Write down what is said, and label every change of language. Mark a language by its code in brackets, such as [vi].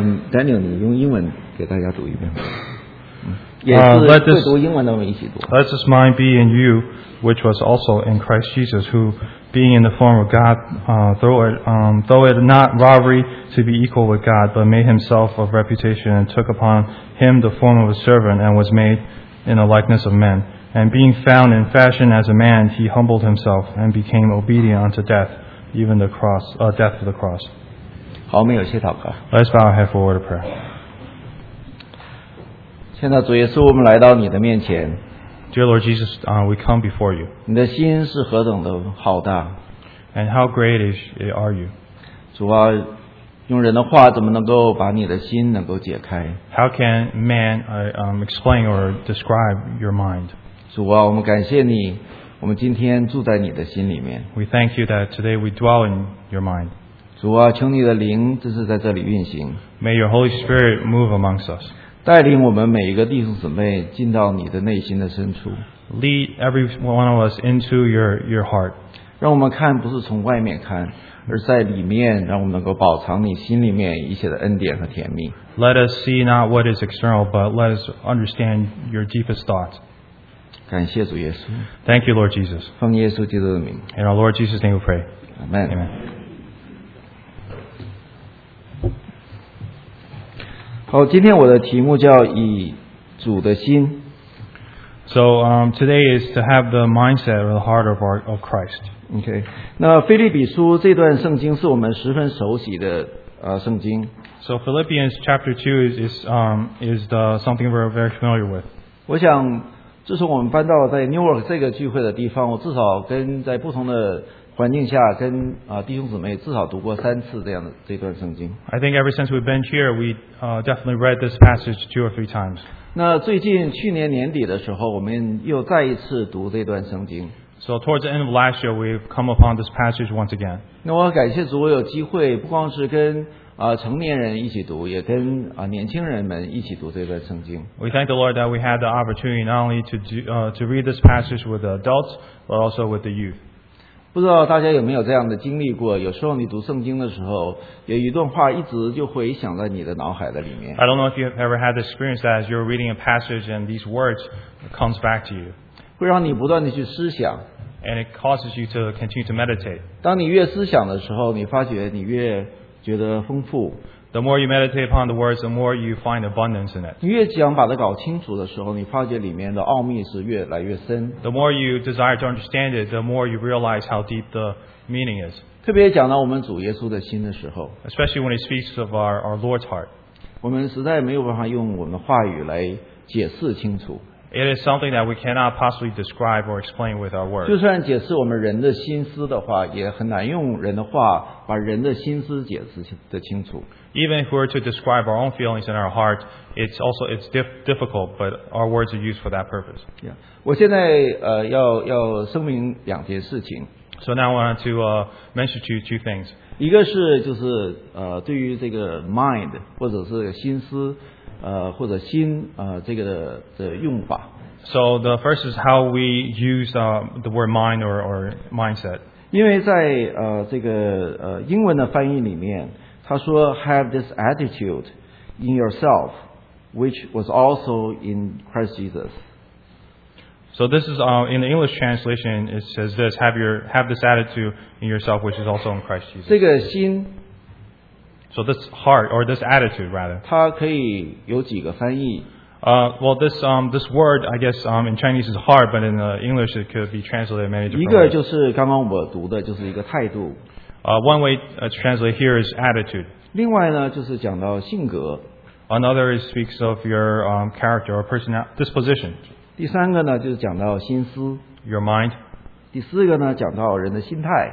[zh] Daniel, 你用英文给大家读一遍。 [en] Let this mind be in you, which was also in Christ Jesus, who, being in the form of God, though it not robbery to be equal with God, but made himself of reputation and took upon him the form of a servant and was made in the likeness of men. And being found in fashion as a man, he humbled himself and became obedient unto death, even the cross, death of the cross. [zh] 好，我们有些祷告。 [en] Let's bow our head for a word of prayer. [zh] 现在主耶稣，我们来到你的面前。 [en] Dear Lord Jesus, we come before you. [zh] 你的心是何等的浩大。 [en] And how great is it are you? [zh] 主啊，用人的话怎么能够把你的心能够解开？ [en] How can man explain or describe your mind? [zh] 主啊，我们感谢你，我们今天住在你的心里面。 [en] We thank you that today we dwell in your mind. [zh] 主啊，求你的灵这是在这里运行。 [en] May your Holy Spirit move amongst us. [zh] 带领我们每一个弟兄姊妹进到你的内心的深处。 [en] Lead every one of us into your heart. [zh] 让我们看不是从外面看，而在里面，让我们能够饱尝你心里面一切的恩典和甜蜜。 [en] Let us see not what is external, but let us understand your deepest thoughts. [zh] 感谢主耶稣。 [en] Thank you, Lord Jesus. [zh] 奉耶稣基督的名。 [en] In our Lord Jesus' name we pray. Amen. Amen. [zh] 好，今天我的题目叫以主的心。 [en] So, today is to have the mindset or the heart of Christ. Okay. [zh] 那腓立比书这段圣经是我们十分熟悉的圣经。 [en] So Philippians chapter 2 is something we're very familiar with. [zh] 我想自从我们搬到在 Newark 这个聚会的地方，我至少跟在不同的环境下跟弟兄姊妹至少读过三次这样的这段圣经。 [en] I think ever since we've been here, we definitely read this passage two or three times. [zh] 那最近去年年底的时候，我们又再一次读这段圣经。 [en] So towards the end of last year, we've come upon this passage once again. [zh] 那我感谢主，我有机会不光是跟成年人一起读，也跟年轻人们一起读这段圣经。 [en] We thank the Lord that we had the opportunity not only to read this passage with the adults, but also with the youth. [zh] 不知道大家有没有这样的经历过，有时候你读圣经的时候，有一段话一直就回想在你的脑海的里面。 [en] I don't know if you have ever had the experience that as you're reading a passage and these words comes back to you. [zh] 会让你不断地去思想。 [en] And it causes you to continue to meditate. [zh] 当你越思想的时候，你发觉你越觉得丰富。 [en] The more you meditate upon the words, the more you find abundance in it. [zh] 你越想把它搞清楚的时候，你发觉里面的奥秘是越来越深。 [en] The more you desire to understand it, the more you realize how deep the meaning is. [zh] 特别讲到我们主耶稣的心的时候。 [en] Especially when it speaks of our Lord's heart. [zh] 我们实在没有办法用我们的话语来解释清楚。 [en] It is something that we cannot possibly describe or explain with our words. [zh] 就算解释我们人的心思的话，也很难用人的话把人的心思解释得清楚。 [en] Even if we were to describe our own feelings in our heart, it's difficult, but our words are used for that purpose. Yeah. [zh] 我现在要声明两件事情。 [en] So now I want to mention to you two things. [zh] 一个是就是对于这个 mind 或者是心思。或者心这个的用法。 [en] So the first is how we use the word mind or mindset. [zh] 因为在这个英文的翻译里面，他说 [en] have this attitude in yourself, which was also in Christ Jesus. So this is in the English translation, it says this: have this attitude in yourself, which is also in Christ Jesus. [zh] 这个心, [en] so this heart or this attitude, rather. [zh] 它可以有几个翻译? [en] This word, I guess, in Chinese is heart, but in English it could be translated many different ways. [zh] 一个就是刚刚我读的，就是一个态度。 [en] One way to translate here is attitude. [zh] 另外呢，就是讲到性格。 [en] Another speaks of your character or personal disposition. [zh] 第三个呢，就是讲到心思。 [en] Your mind. [zh] 第四个呢，讲到人的心态。